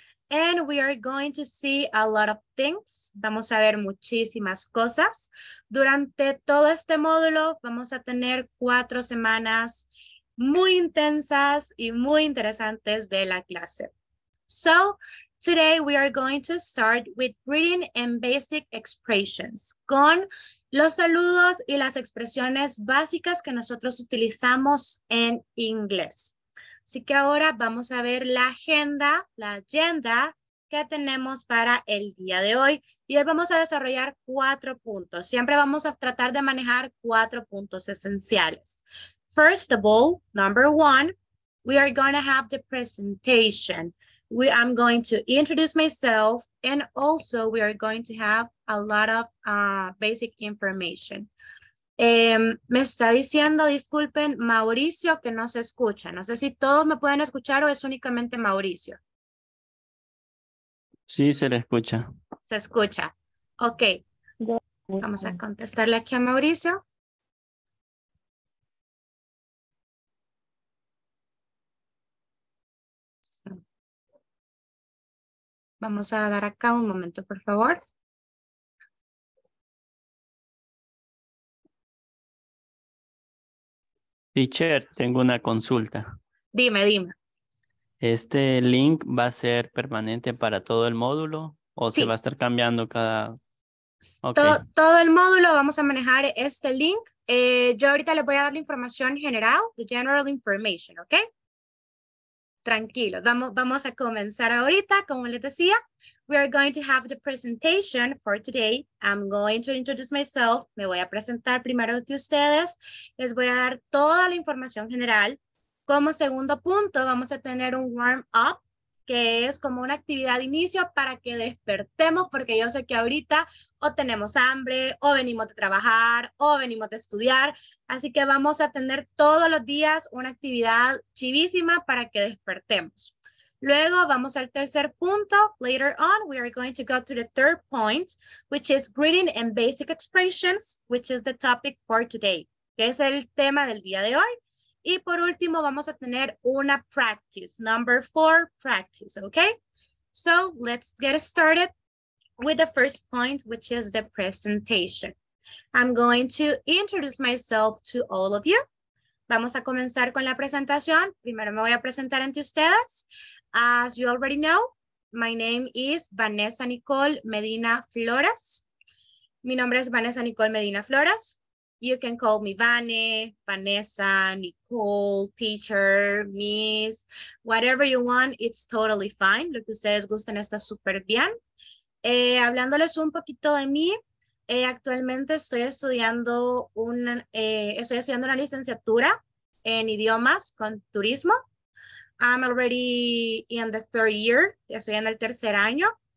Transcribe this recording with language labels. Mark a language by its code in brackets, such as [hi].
[en] And we are going to see a lot of things. [es] Vamos a ver muchísimas cosas. Durante todo este módulo, vamos a tener 4 semanas muy intensas y muy interesantes de la clase. [en] So, today we are going to start with greeting and basic expressions, [es] con los saludos y las expresiones básicas que nosotros utilizamos en inglés. Así que ahora vamos a ver la agenda que tenemos para el día de hoy. Y hoy vamos a desarrollar 4 puntos. Siempre vamos a tratar de manejar 4 puntos esenciales. [en] First of all, number one, we are going to have the presentation. I'm going to introduce myself, and also we are going to have a lot of basic information. [es] Me está diciendo, disculpen, Mauricio, que no se escucha. No sé si todos me pueden escuchar o es únicamente Mauricio. Sí, se le escucha. Se escucha. Ok. Vamos a contestarle aquí a Mauricio. Vamos a dar acá un momento, por favor. Teacher, tengo una consulta. Dime, dime. ¿Este link va a ser permanente para todo el módulo o sí, se va a estar cambiando cada...? [en] Okay. [es] Todo el módulo vamos a manejar este link. Yo ahorita le voy a dar la información general, [en] the general information, [es] ¿ok? Tranquilo, vamos a comenzar ahorita, como les decía. [en] We are going to have the presentation for today. I'm going to introduce myself. [es] Me voy a presentar primero de ustedes. Les voy a dar toda la información general. Como segundo punto, vamos a tener un warm up, que es como una actividad de inicio para que despertemos, porque yo sé que ahorita o tenemos hambre, o venimos de trabajar, o venimos de estudiar. Así que vamos a tener todos los días una actividad chivísima para que despertemos. Luego vamos al tercer punto. [en] Later on, we are going to go to the third point, which is greeting and basic expressions, which is the topic for today, [es] que es el tema del día de hoy. Y por último, vamos a tener una practice, [en] number four practice, [es] okay? [en] So let's get started with the first point, which is the presentation. I'm going to introduce myself to all of you. [es] Vamos a comenzar con la presentación. Primero me voy a presentar ante ustedes. [en] As you already know, my name is [es] Vanessa Nicole Medina Flores. Mi nombre es [en] Vanessa Nicole Medina Flores. You can call me Vane, Vanessa, Nicole, teacher, miss, whatever you want, it's totally fine. [es] Lo que ustedes gusten está súper bien. Hablándoles un poquito de mí, actualmente estoy estudiando una licenciatura en idiomas con turismo. [en] I'm already in the third year, [es] estoy en el tercer año.